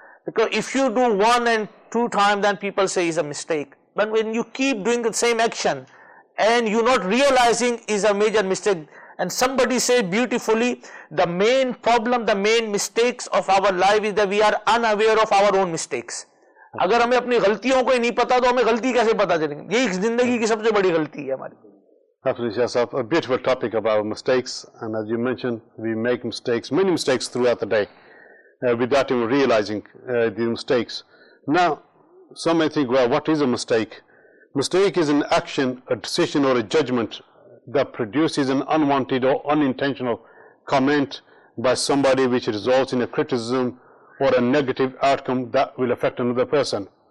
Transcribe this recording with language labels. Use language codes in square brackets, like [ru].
[en] Because if you do one and two times, then people say it's a mistake. But when you keep doing the same action, and you're not realizing is a major mistake, and somebody said beautifully, the main problem, the main mistakes of our life is that we are unaware of our own mistakes. [hi] अगर हमें अपनी गलतियों को ही नहीं पता तो हमें गलती कैसे पता चलेगी? ये इस ज़िंदगी की सबसे बड़ी गलती है हमारी। [en] Absolutely, yes. A beautiful topic about mistakes, and as you mentioned, we make mistakes, many mistakes throughout the day, without even realizing the mistakes. Now, some may think, well, what is a mistake? Mistake is an action, a decision, or a judgment that produces an unwanted or unintentional comment by somebody which results in a criticism or a negative outcome that will affect another person.